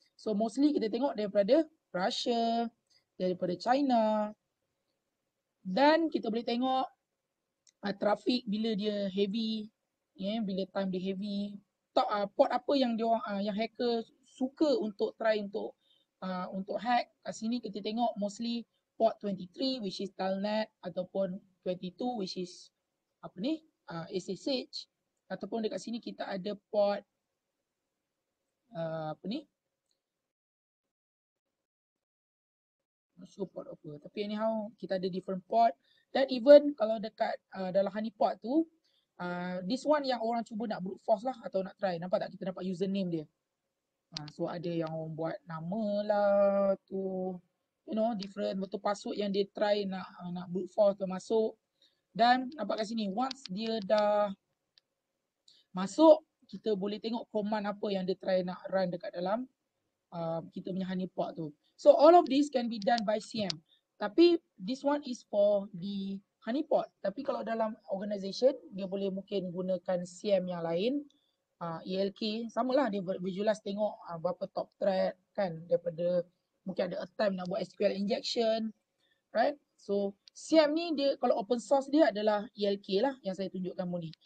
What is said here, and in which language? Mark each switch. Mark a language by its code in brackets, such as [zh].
[en] So mostly [ms] kita tengok daripada Russia, daripada China. Dan kita boleh tengok traffic bila dia heavy, yeah, bila time dia heavy. Port apa yang dia yang hacker suka untuk try untuk hack. Kat sini kita tengok [en] mostly port 23 which is telnet ataupun 22 which is [ms] apa ni, SSH, ataupun dekat sini kita ada port apa ni, support apa, tapi anyhow kita ada different port. Dan even kalau dekat dalam honeypot tu, [en] this one [ms] yang orang cuba nak brute force lah atau nak try, nampak tak kita dapat username dia. So ada yang orang buat nama lah tu, [en] you know, [ms] different betul password yang dia try nak nak brute force ke masuk. Dan nampak kat sini, once dia dah masuk, kita boleh tengok command apa yang dia try nak run dekat dalam kita punya honeypot tu. [en] So all of this can be done by CM. Tapi this one is for the honeypot. [ms] Tapi kalau dalam organisation, dia boleh mungkin gunakan CM yang lain. ELK, samalah dia visualize tengok berapa top thread kan. Daripada mungkin ada attempt nak buat SQL injection. Right? So CM ni dia kalau open source dia adalah ELK lah yang saya tunjukkan kamu ni.